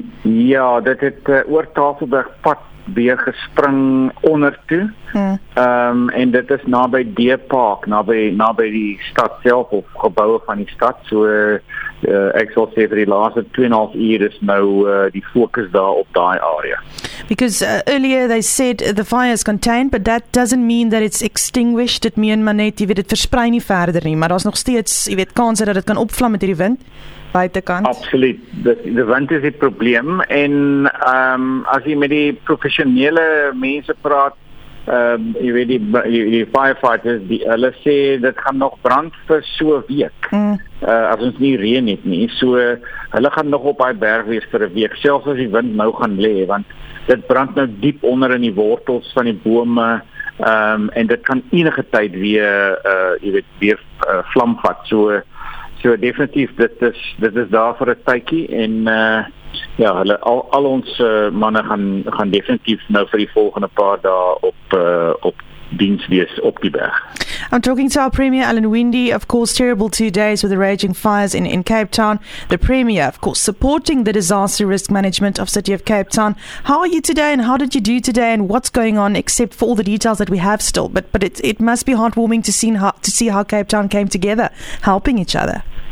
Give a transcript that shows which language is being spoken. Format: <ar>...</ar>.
<af>Ja, dit het oor Tafelberg pad weer gespring onder toe. En dit is naby D Park, naby die stad self of gebouwe van die stad. So ek sal sê vir die laaste 2.5 uur is nou die fokus daar op daai area.</af> <en>Because earlier they said the fire is contained, but that doesn't mean that it's extinguished. It mean</en> <af>maar net, jy weet, dit versprei nie verder nie, maar daar's nog steeds, jy weet, kans dat dit kan opvlam met hierdie wind. Buitenkant. Absoluut, die wind is die probleem en as jy met die professionele mense praat, jy weet die firefighters, hulle sê dit gaan nog brand vir so 'n week, as ons nie reën het nie, so hulle gaan nog op die berg wees vir 'n week, selfs as die wind nou gaan lê, want dit brand nou diep onder in die wortels van die bome, en dit kan enige tyd weer, jy weet, weer vlam vat, so So definitief, dit is daar vir 'n tydjie en ja, hulle, al ons manne gaan definitief nou vir die volgende paar dae op diens wees op die berg.</af> <en>I'm talking to our Premier Alan Wendy, of course terrible 2 days with the raging fires in Cape Town. The Premier, of course, supporting the disaster risk management of City of Cape Town. How are you today and how did you do today and what's going on except for all the details that we have still? But it must be heartwarming to see how Cape Town came together, helping each other.</en>